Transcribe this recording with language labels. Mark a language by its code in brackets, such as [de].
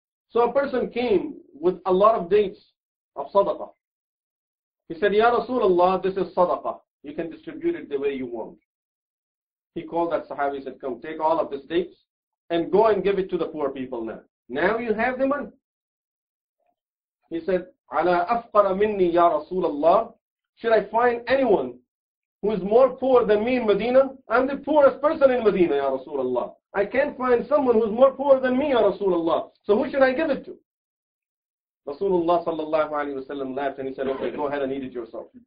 [en] So a person came with a lot of dates of sadaqah. He said, Ya Rasulullah, this is sadaqah. You can distribute it the way you want. He called that sahabi and said, come, take all of these dates and go and give it to the poor people now. Now you have the money. He said, [ar] عَلَىٰ أَفْقَرَ مِنِّي يَا رَسُولَ اللَّهِ. [en] Should I find anyone who is more poor than me in Medina? I'm the poorest person in Medina, Ya Rasulullah. I can't find someone who is more poor than me, Ya Rasulullah. So who should I give it to? Rasulullah sallallahu alayhi wa sallam laughed and he said, okay, go ahead and eat it yourself.